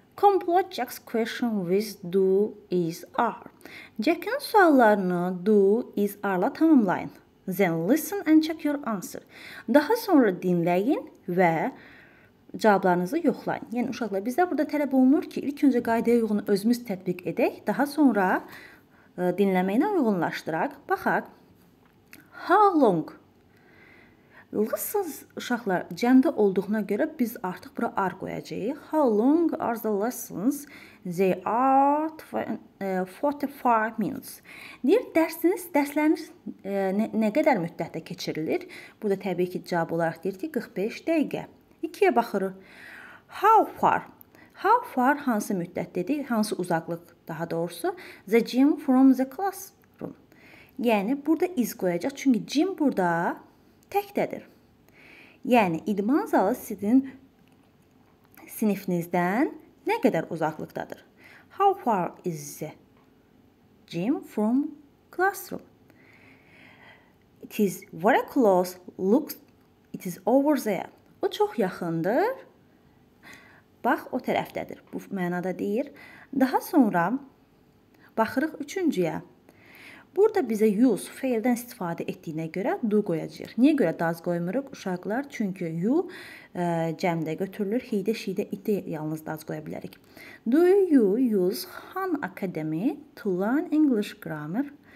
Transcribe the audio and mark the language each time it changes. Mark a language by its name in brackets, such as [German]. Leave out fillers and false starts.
[English] Complete Jack's question with do, is, are. [Azerbaijani] Jack'ın suallarını do, is, are-la tamamlayın. [English] Then listen and check your answer. [Azerbaijani] Daha sonra dinləyin və cavablarınızı yoxlayın. Yəni uşaqlar bizdə burada tələb olunur ki, ilk öncə qaydaya uyğun özümüz tətbiq edək, daha sonra dinləməyinə uyğunlaşdıraq. Baxaq. [English] How long? [Azerbaijani] Lessons uşaqlar cəmdə olduğuna görə biz artıq bura are qoyacağıq. [English] How long are the lessons? They are 45 minutes. [Azerbaijani] Deyir, dərsləriniz nə qədər müddətdə keçirilir? Burada təbii ki, cavab olaraq deyir ki, 45 dəqiqə. İkiyə baxırıq. [English] How far? [Azerbaijani] How far hansı müddət dedik? Hansı uzaqlıq daha doğrusu? [English] The gym from the classroom. [Azerbaijani] Yəni, burada is qoyacaq. Çünki gym burada təkdədir. Yəni, idman zalı sizin sinifinizdən nə qədər uzaqlıqdadır? [English] How far is the gym from classroom? It is very close. Look, it is over there. [Azerbaijani] O çox yaxındır. Bax, o tərəfdədir. Bu mənada deyir. Daha sonra baxırıq üçüncüyə. Burada bizə use, fail-dən istifadə etdiyinə görə do qoyacaq. Niyə görə does qoymuruq uşaqlar? Çünki you cəmdə götürülür. He-də, she-də, it-də yalnız does qoya bilərik. [English] Do you use Khan Academy to learn English grammar?